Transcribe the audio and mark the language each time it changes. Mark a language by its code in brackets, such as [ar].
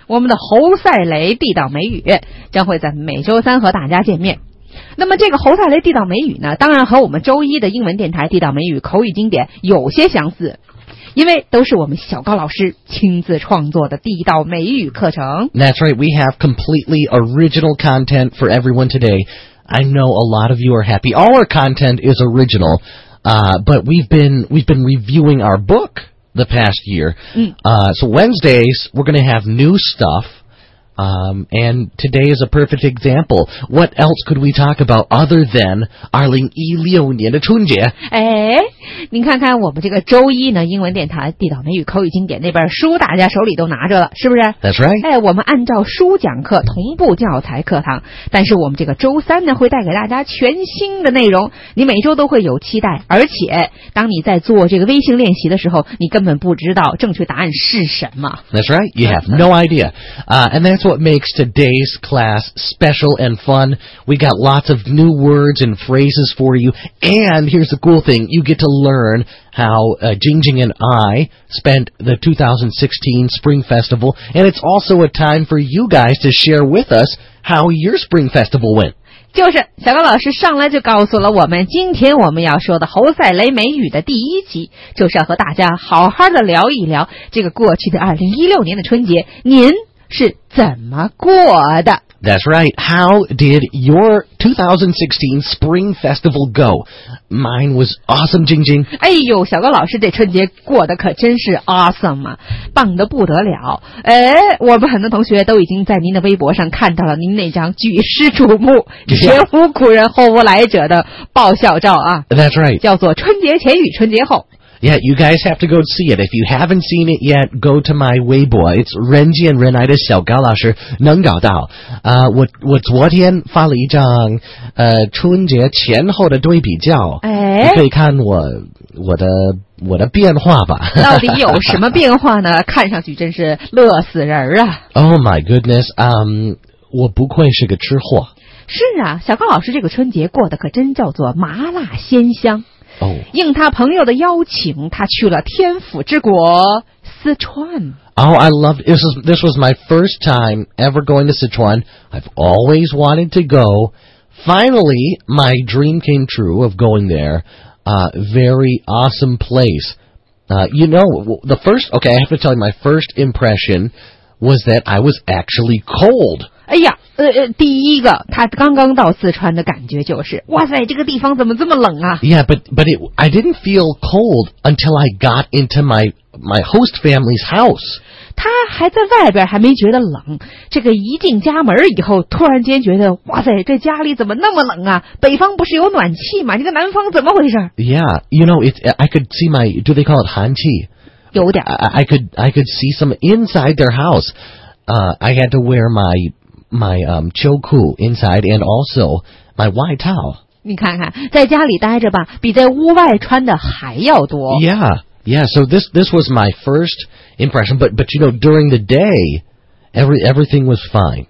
[zh] 我们的猴赛雷地道美语将会在每周三和大家见面。那么这个猴赛雷地道美语呢，当然和我们周一的英文电台地道美语口语经典有些相似，因为都是我们小高老师亲自创作的地道美语课程。 [en] That's right, we have completely original content for everyone today. I know a lot of you are happy. All our content is original, but we've been reviewing our book the past year. So Wednesdays, we're going to have new stuff. And today is a perfect example. What else could we talk about other than [zh] 2016年的春节？您看看我们这个周一呢，英文电台地道美语口语经典那本书大家手里都拿着了，是不是？ [en] That's right. [zh] 我们按照书讲课同步教材课堂，但是我们这个周三呢会带给大家全新的内容，你每周都会有期待，而且当你在做这个微信练习的时候，你根本不知道正确答案是什么。 [en] That's right. You have no idea. And then that's what makes today's class special and fun. We got lots of new words and phrases for you. And here's the cool thing. You get to learn how Jingjing and I spent the 2016 Spring Festival. And it's also a time for you guys to share with us how your Spring Festival went. [zh] 就是小高老师上来就告诉了我们，今天我们要说的猴赛雷美语的第一集，就是要和大家好好的聊一聊这个过去的2016年的春节，您是怎么过的。 [en] That's right. How did your 2016 Spring Festival go? Mine was awesome, Jingjing. [zh] 哎呦，小高老师这春节过得可真是 awesome 啊，棒得不得了。我们很多同学都已经在您的微博上看到了您那张举世瞩目、前无古人后无来者的爆笑照啊。 [en] That's right. [zh] 叫做春节前与春节后。 [en] Yeah, you guys have to go see it. If you haven't seen it yet, go to my Weibo. It's [zh] 人见人爱的小高老师，能搞到。我昨天发了一张春节前后的对比较，你可以看我的变化吧。到底有什么变化呢？看上去真是乐死人啊。 [en] Oh my goodness, [zh] 我不愧是个吃货。是啊，小高老师这个春节过得可真叫做麻辣鲜香。应他朋友的邀请，他去了天府之国四川。 [en] I love it. This was my first time ever going to Sichuan. I've always wanted to go. Finally, my dream came true of going there. Very awesome place. You know, the first, okay, I have to tell you, my first impression was that I was actually cold. [zh] 第一个他刚刚到四川的感觉就是，哇塞，这个地方怎么这么冷啊。 [en] Yeah, but I didn't feel cold until I got into my host family's house. [zh] 他还在外边还没觉得冷，这个一进家门以后突然间觉得，哇塞，这家里怎么那么冷啊，北方不是有暖气吗，这个南方怎么回事。 [en] Yeah, you know, I could see my, do they call it [zh] 寒气？有点。 [en] I could see some inside their house. I had to wear my choku inside and also my [zh] 外套。你看看，在家里待着吧，比在屋外穿的还要多。 [en] Yeah. So this was my first impression. But you know, during the day, everything was fine.